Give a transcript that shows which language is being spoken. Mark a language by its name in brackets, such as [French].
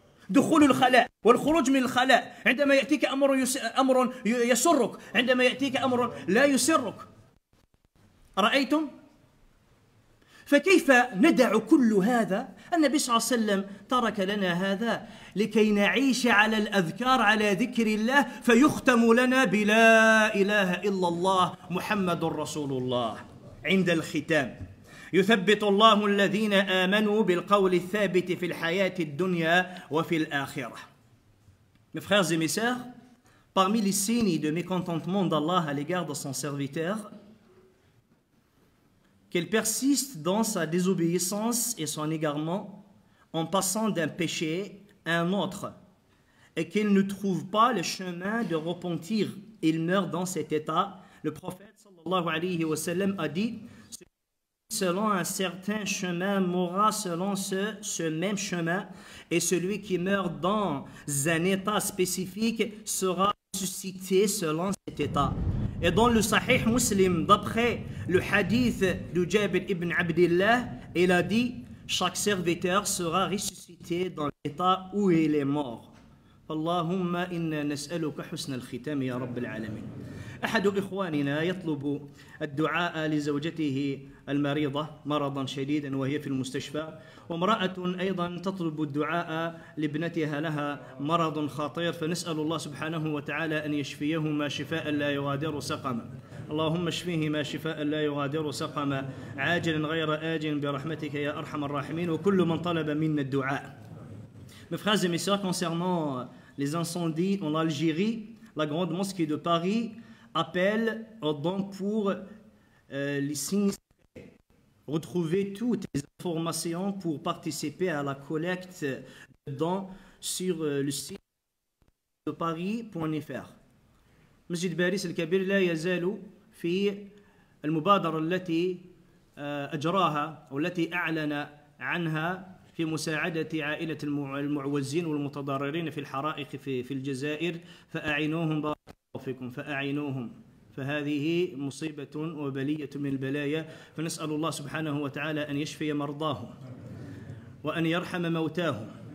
[Arabic] دخول الخلاء والخروج من الخلاء، عندما يأتيك أمر يسرك، عندما يأتيك أمر لا يسرك، رأيتم؟ فكيف ندع كل هذا؟ النبي صلى الله عليه وسلم ترك لنا هذا لكي نعيش على الأذكار، على ذكر الله، فيختم لنا بلا إله إلا الله محمد رسول الله عند الختام. يثبت الله الذين آمنوا بالقول الثابت في الحياة الدنيا وفي الآخرة. [French] Mes frères et mes sœurs, parmi les signes de mécontentement d'Allah à l'égard de son serviteur, qu'elle persiste dans sa désobéissance et son égarement en passant d'un péché à un autre, et qu'elle ne trouve pas le chemin de repentir. Il meurt dans cet état. Le prophète sallallahu alayhi wa sallam a dit: selon un certain chemin mourra selon ce même chemin, et celui qui meurt dans un état spécifique sera ressuscité selon cet état. Et dans le Sahih Muslim, d'après le hadith de Jabir ibn Abdullah, il a dit chaque serviteur sera ressuscité dans l'état où il est mort. [Arabic] اللهم إنا نسألك حسن الختام يا رب العالمين. أحد إخواننا يطلب الدعاء لزوجته المريضة مرضا شديدا وهي في المستشفى، وامرأة أيضا تطلب الدعاء لابنتها لها مرض خطير، فنسأل الله سبحانه وتعالى أن يشفيهما شفاء لا يغادر سقما. اللهم اشفيهما شفاء لا يغادر سقما عاجلا غير آجل برحمتك يا أرحم الراحمين. وكل من طلب منا الدعاء. [French] Mes frères et mes sœurs, concernant les incendies en Algérie, la grande mosquée de Paris appelle aux dons pour les sinistrés. Retrouvez toutes les informations pour participer à la collecte de dons sur le site de paris.fr. [Arabic] Masjid Baris al-Kabir la yazalu fi al-mubadara allati ajraha ou allati a'lana anha في مساعدة عائلة المعوزين والمتضررين في الحرائق في الجزائر، فأعينوهم بارك الله فيكم، فأعينوهم، فهذه مصيبة وبلية من البلايا، فنسأل الله سبحانه وتعالى أن يشفي مرضاهم وأن يرحم موتاهم.